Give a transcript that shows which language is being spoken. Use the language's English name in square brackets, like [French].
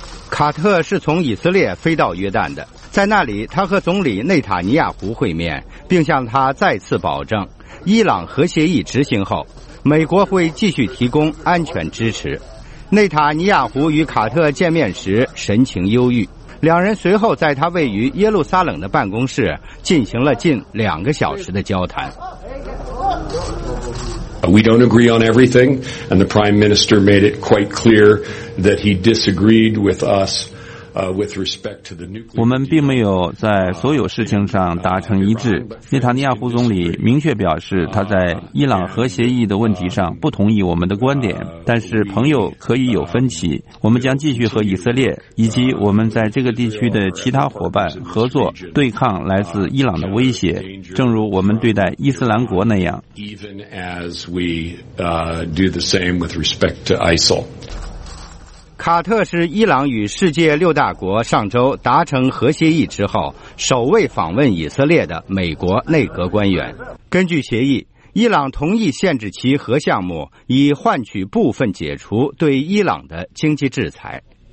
[Chinese] 卡特是从以色列飞到约旦的，在那里他和总理内塔尼亚胡会面，并向他再次保证伊朗核协议执行后美国会继续提供安全支持。内塔尼亚胡与卡特见面时神情忧郁，两人随后在他位于耶路撒冷的办公室进行了近两个小时的交谈。 [English] We don't agree on everything, and the Prime Minister made it quite clear that he disagreed with us with respect to the nuclear. [Chinese] 我们并没有在所有事情上达成一致。内塔尼亚胡总理明确表示，他在伊朗核协议的问题上不同意我们的观点，但是朋友可以有分歧。我们将继续和以色列以及我们在这个地区的其他伙伴合作，对抗来自伊朗的威胁，正如我们对待伊斯兰国那样。 [English] Even as we do the same with respect to ISIL。 [Chinese] 卡特是伊朗与世界六大国上周达成核协议之后首位访问以色列的美国内阁官员。根据协议，伊朗同意限制其核项目，以换取部分解除对伊朗的经济制裁。